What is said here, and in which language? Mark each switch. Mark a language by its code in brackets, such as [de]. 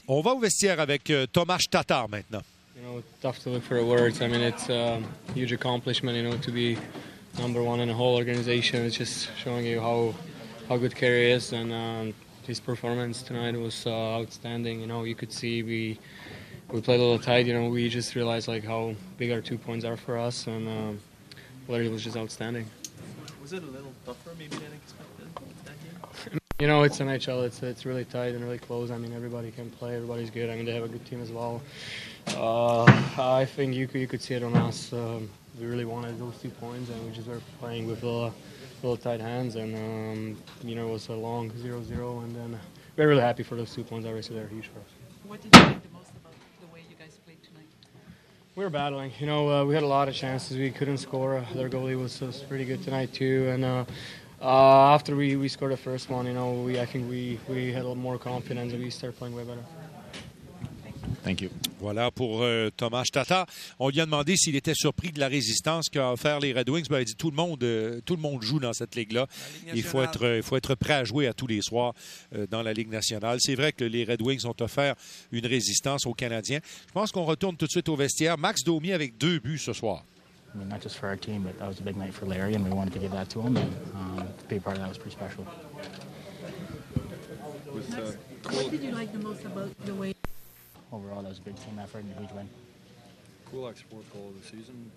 [fr] On va au vestiaire avec Tomáš Tatar maintenant. [en] You know, tough to look for words. I mean, it's a huge accomplishment, you know, to be number one in the whole organization. It's just showing you how good Kerry is, and his performance tonight was outstanding. You know, you could see we played a little tight. You know, we just realized like how big our 2 points are for us, and Larry was just outstanding. Was it a little tougher maybe than expected that game? You know, it's NHL. It's really tight and really close. I mean, everybody can play. Everybody's good. I mean, they have a good team as well. I think you could see it on us. We really wanted those 2 points, and we just were playing with little tight hands, and you know, it was a long 0-0, and then we're really happy for those 2 points. Obviously, they're huge for us. What did you like the most about the way you guys played tonight? We were battling. You know, we had a lot of chances. We couldn't score. Their goalie was pretty good tonight too, and after we scored the first one, you know, I think we had a little more confidence, and we started playing way better. Thank you. [fr] Voilà pour Tomáš Tatar. On lui a demandé s'il était surpris de la résistance qu'a offert les Red Wings. Ben, il dit tout le monde joue dans cette ligue-là. Il faut être prêt à jouer à tous les soirs dans la Ligue nationale. C'est vrai que les Red Wings ont offert une résistance aux Canadiens. Je pense qu'on retourne tout de suite au vestiaire. Max Domi avec 2 buts ce soir. [en] I mean, not just for our team, but that was a big night for Larry, and we wanted to give that to him. And to be a part of that was pretty special. What did you like the most about the way? Overall, that was a big team effort and a huge win. Kulak's fourth goal of the season.